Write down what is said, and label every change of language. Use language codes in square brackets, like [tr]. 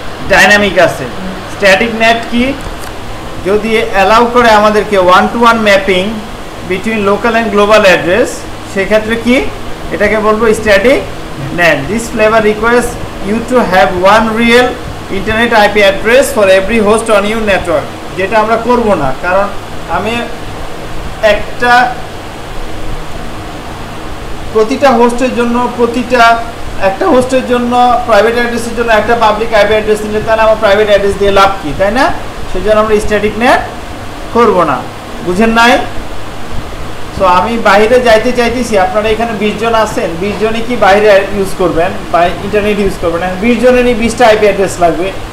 [bn] Dynamic আছে static net কি যদি অ্যালাউ করে আমাদেরকে [en] one to one mapping between local and global address [bn] সেক্ষেত্রে কি এটাকে বলবো static NAT. [en] This flavor requires you to have one real internet IP address for every host on your network. [bn] যেটা আমরা করব না কারণ আমি একটা প্রতিটা হোস্টের জন্য প্রতিটা একটা হোস্টের জন্য প্রাইভেট অ্যাড্রেসের জন্য একটা পাবলিক আইপি অ্যাড্রেস নিলে তাহলে আমার প্রাইভেট অ্যাড্রেস দিয়ে লাভ কী তাই না সেজন্য আমরা স্ট্যাটিক NAT করব না বুঝেন নাই সো আমি বাইরে যাইতে চাইতেছি আপনারা এখানে 20 জন আছেন 20 জনই কি বাইরে ইউজ করবেন বা ইন্টারনেট ইউজ করবেন 20 জনেরই 20টা আইপি অ্যাড্রেস লাগবে